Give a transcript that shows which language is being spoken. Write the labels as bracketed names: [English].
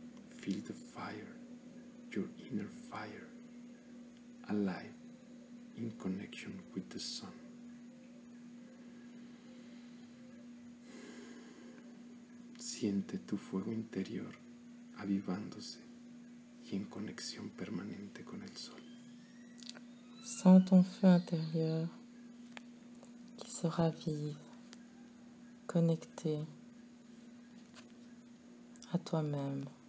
[English] Feel the fire, your inner fire, alive in connection with the sun. [Spanish] Siente tu fuego interior avivándose y en conexión permanente con el sol. [French] Sens ton feu intérieur qui se ravive, connecté à toi-même.